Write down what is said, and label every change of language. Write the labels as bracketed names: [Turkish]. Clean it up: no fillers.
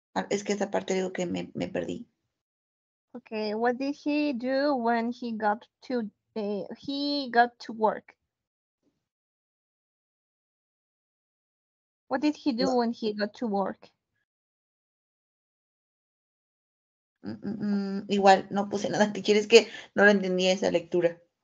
[Spanish] Es que esa parte digo que me perdí. [English] Okay, what did he do when he got to work? What did he do when he got to work? [Spanish] Igual, no puse nada. ¿Qué quieres que no lo entendía esa lectura?